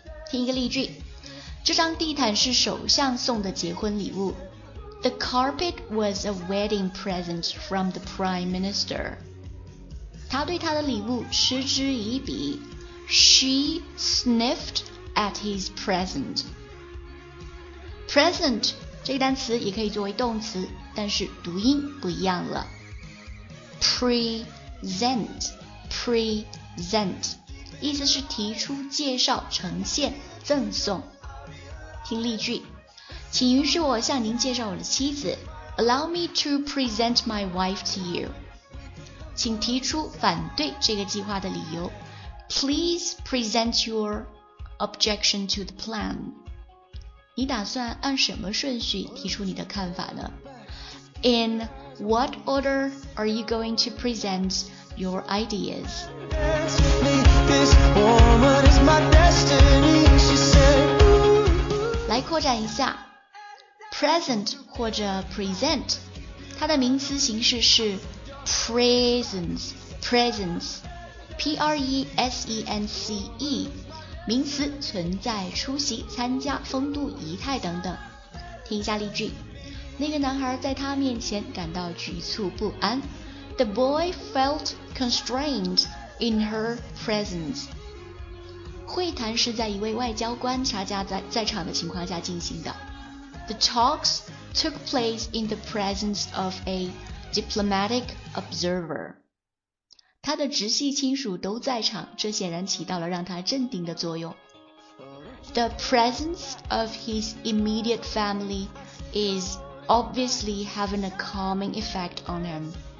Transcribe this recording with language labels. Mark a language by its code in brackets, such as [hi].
[zh] 听一个例句，这张地毯是首相送的结婚礼物。 [en] The carpet was a wedding present from the Prime Minister. [zh] 他对他的礼物嗤之以鼻。 [en] She sniffed at his present. [zh] Present 这个单词也可以作为动词，但是读音不一样了。 Present, present, 意思是提出、介绍、呈现、赠送。听例句。请允许我向您介绍我的妻子。 [en] Allow me to present my wife to you. [zh] 请提出反对这个计划的理由。 [en] Please present your objection to the plan. [zh] 你打算按什么顺序提出你的看法呢？ [en] In what order are you going to present your ideas? This woman is my destiny, she said. [zh] 来扩展一下。 Present 或者 present， 它的名词形式是 presence， presence， P-R-E-S-E-N-C-E， 名词存在、出席、参加、风度、仪态等等。听一下例句，那个男孩在他面前感到局促不安。 [en] The boy felt constrained in her presence。 [zh] 会谈是在一位外交官恰恰在场的情况下进行的。 [en] The talks took place in the presence of a diplomatic observer. [zh] 他的直系亲属都在场，这显然起到了让他镇定的作用。 [en] The presence of his immediate family is obviously having a calming effect on him.